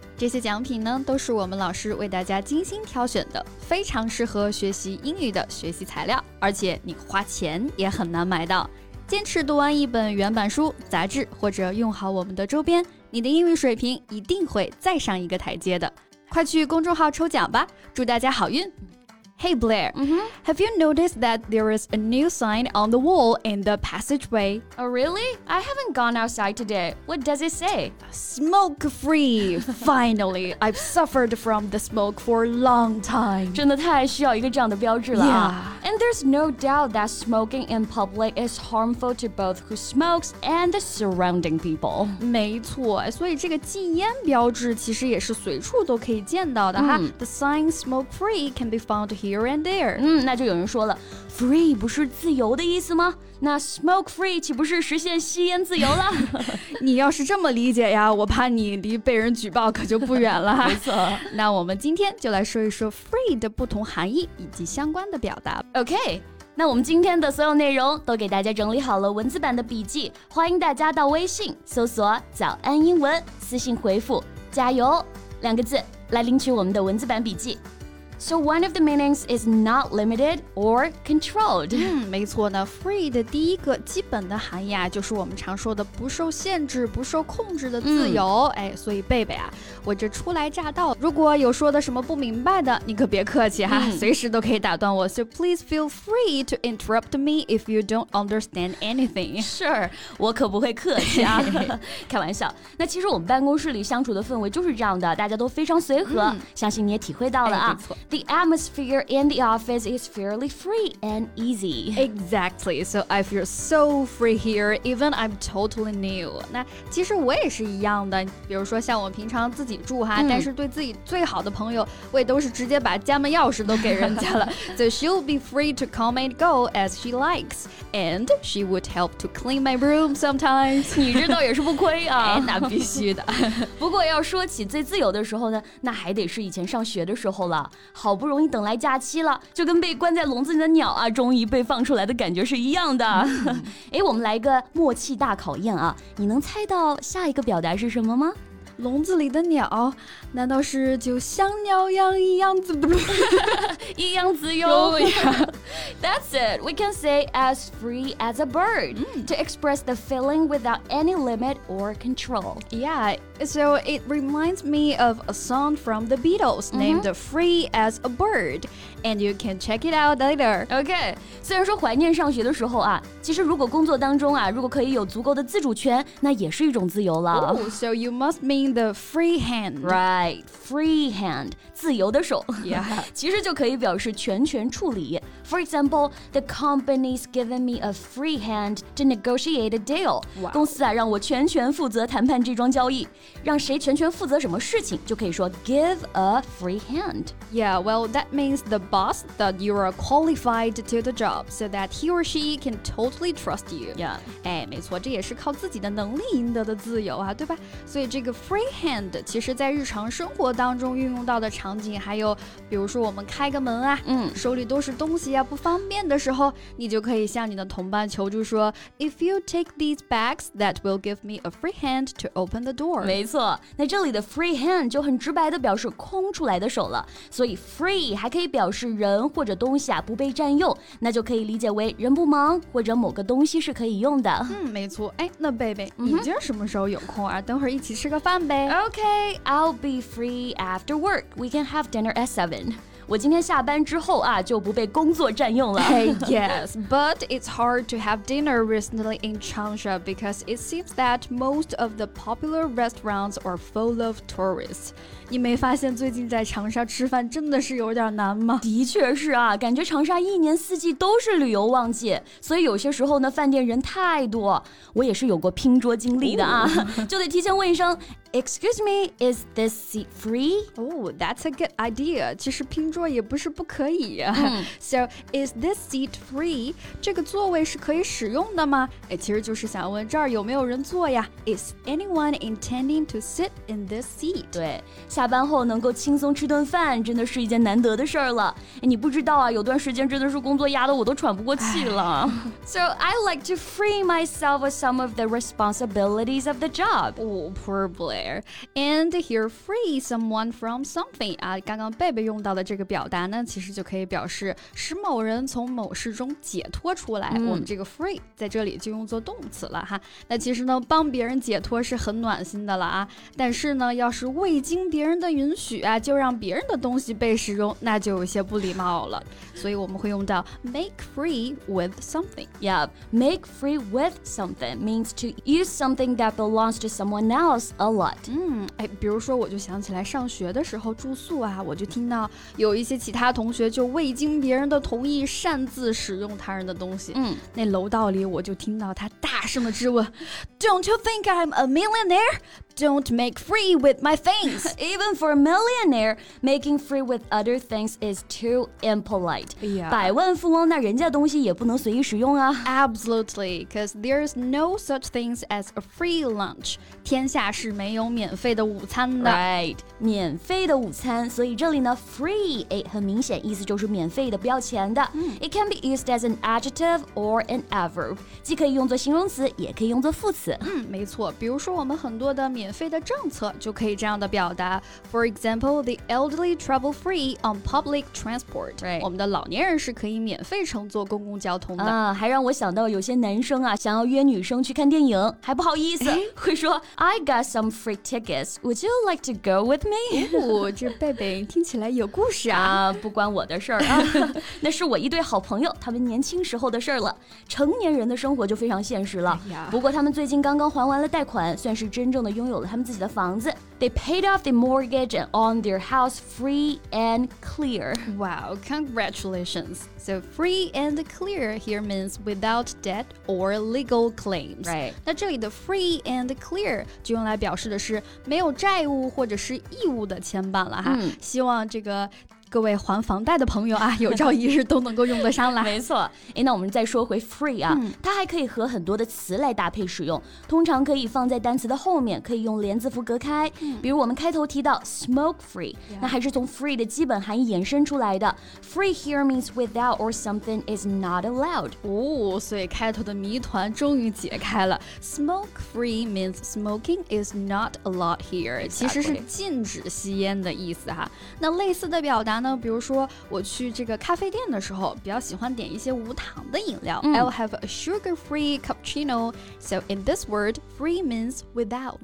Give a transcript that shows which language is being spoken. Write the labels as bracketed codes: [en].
[zh] 这些奖品呢，都是我们老师为大家精心挑选的，非常适合学习英语的学习材料，而且你花钱也很难买到。坚持读完一本原版书、杂志，或者用好我们的周边，你的英语水平一定会再上一个台阶的。快去公众号抽奖吧，祝大家好运。 [en] Hey Blair,、 mm-hmm. have you noticed that there is a new sign on the wall in the passageway? Oh really? I haven't gone outside today. What does it say? Smoke free! Finally! I've suffered from the smoke for a long time. [zh] 真的太需要一个这样的标志了、啊。 [en] Yeah. And there's no doubt that smoking in public is harmful to both who smokes and the surrounding people. [zh] 没错，所以这个禁烟标志其实也是随处都可以见到的哈。 [en] The sign smoke free can be found here and there. [zh] 那就有人说了Free 不是自由的意思吗？那 smoke free 岂不是实现吸烟自由了？你要是这么理解呀，我怕你离被人举报可就不远了。没错。那我们今天就来说一说 free 的不同含义以及相关的表达。 OK, 那我们今天的所有内容都给大家整理好了文字版的笔记，欢迎大家到微信搜索早安英文，私信回复加油两个字来领取我们的文字版笔记。 [en] So one of the meanings is not limited or controlled. [zh] 没错呢 ,free 的第一个基本的含义啊就是我们常说的不受限制、不受控制的自由。哎，所以贝贝啊，我这初来乍到，如果有说的什么不明白的，你可别客气哈，随时都可以打断我。 [en] So please feel free to interrupt me if you don't understand anything. Sure, [zh] 我可不会客气啊。开玩笑。那其实我们办公室里相处的氛围就是这样的，大家都非常随和，相信你也体会到了啊。哎，没错。 [en] The atmosphere in the office is fairly free and easy. Exactly. So I feel so free here, even I'm totally new. [zh] 那其实我也是一样的，比如说像我平常自己住哈，但是对自己最好的朋友，我也都是直接把家门钥匙都给人家了。 [en] So she'll be free to come and go as she likes. And she would help to clean my room sometimes. [zh] 你这倒也是不亏啊。那必须的。不过要说起最自由的时候呢，那还得是以前上学的时候了。好不容易等来假期了，就跟被关在笼子里的鸟啊，终于被放出来的感觉是一样的。哎，我们来个默契大考验啊，你能猜到下一个表达是什么吗？笼子里的鸟，难道是就像鸟样一样子的？一样子哟。 [en] That's it. We can say as free as a bird to express the feeling without any limit or control. Yeah, so it reminds me of a song from the Beatles named Free as a Bird. And you can check it out later. Okay. [zh] 虽然说怀念上学的时候啊，其实如果工作当中啊，如果可以有足够的自主权，那也是一种自由了。 [en] Ooh, so you must mean the free hand. Right. Free hand. [zh] 自由的手。 [en] Yeah. [zh] 其实就可以表示全权处理。 [en] For example, the company's given me a free hand to negotiate a deal. Wow. [zh] 公司啊，让我全权负责谈判这桩交易。让谁全权负责什么事情，就可以说 give a free hand. [en] Yeah, well, that means the boss that you are qualified to the job so that he or she can totally trust you. Yeah. [zh] 哎，没错，这也是靠自己的能力赢得的自由啊，对吧？所以这个 free hand 其实在日常生活当中运用到的场景，还有比如说我们开个门啊，手里都是东西啊，不方便的时候，你就可以向你的同伴求助说 [en] If you take these bags, that will give me a free hand to open the door. [zh] 没错，那这里的 free hand 就很直白的表示空出来的手了，所以 free 还可以表示人或者东西啊不被占用，那就可以理解为人不忙或者某个东西是可以用的。没错。哎，那贝贝，你今儿什么时候有空啊？等会儿一起吃个饭呗。 [en] Okay, I'll be free after work. We can have dinner at 7. [zh] 我今天下班之后啊，就不被工作占用了。 [en] Hey, yes, but it's hard to have dinner recently in Changsha because it seems that most of the popular restaurants are full of tourists. [zh] 你没发现最近在长沙吃饭真的是有点难吗？的确是啊，感觉长沙一年四季都是旅游旺季，所以有些时候呢，饭店人太多。我也是有过拼桌经历的啊，就得提前问一声 [en] Excuse me, is this seat free? Oh, that's a good idea. [zh] 其实拼桌也不是不可以。 [en] So, is this seat free? [zh] 这个座位是可以使用的吗？其实就是想问这儿有没有人坐呀。 [en] Is anyone intending to sit in this seat? [zh] 对，下班后能够轻松吃顿饭真的是一件难得的事儿了。你不知道啊，有段时间真的是工作压得我都喘不过气了。 [en] So, I like to free myself of some of the responsibilities of the job. Oh, poor Blair. And here, free someone from something. [zh] 刚刚贝贝用到的这个表达呢，其实就可以表示使某人从某事中解脱出来。我们这个 free 在这里就用作动词了哈。那其实呢，帮别人解脱是很暖心的了啊。但是呢，要是未经别人的允许啊，就让别人的东西被使用，那就有些不礼貌了。所以我们会用到 make free with something. [en] Yeah, make free with something means to use something that belongs to someone else a lot. [zh] 比如说我就想起来上学的时候住宿啊，我就听到有一些其他同学就未经别人的同意擅自使用他人的东西。那楼道里我就听到他大声的质问 [en] Don't you think I'm a millionaire? Don't make free with my things. Even for a millionaire, making free with other things is too impolite. Yeah. [zh] 百万富翁那人家东西也不能随意使用啊。 [en] Absolutely, because there's no such things as a free lunch. [zh] 天下是没有免费的午餐的。 [en] Right, [zh] 免费的午餐。所以这里呢 free, 很明显意思就是免费的不要钱的。 [en] It can be used as an adjective or an adverb. [zh] 既可以用作形容词也可以用作副词。没错，比如说我们很多的免费的政策就可以这样的表达。 [en] For example, the elderly travel free on public transport. Right. [zh] 我们的老年人是可以免费乘坐公共交通的。还让我想到有些男生啊，想要约女生去看电影，还不好意思，会说 [en] I got some free tickets. Would you like to go with me? [zh] 这贝贝听起来有故事啊。不关我的事儿啊，那是我一对好朋友，他们年轻时候的事儿了。成年人的生活就非常现实了。不过他们最近刚刚还完了贷款，算是真正的拥有了他们自己的房子。 [en] They paid off the mortgage and owned their house free and clear. Wow, congratulations. So free and clear here means without debt or legal claims. Right. [zh] 那这里的 free and clear 就用来表示的是没有债务或者是义务的牵绊了哈。希望这个各位还房贷的朋友啊，有朝一日都能够用得上来。没错，那我们再说回 free 啊，它还可以和很多的词来搭配使用，通常可以放在单词的后面，可以用连字符隔开。比如我们开头提到 smoke free， 那还是从 free 的基本含义延伸出来的。 [en] Free here means without or something is not allowed。 [zh] 所以开头的谜团终于解开了。 [en] Smoke free means smoking is not allowed here， [zh] 其实是禁止吸烟的意思哈。那类似的表达。比如说我去这个咖啡店的时候比较喜欢点一些无糖的饮料。 [en] I'll have a sugar-free cappuccino. So in this word, free means without.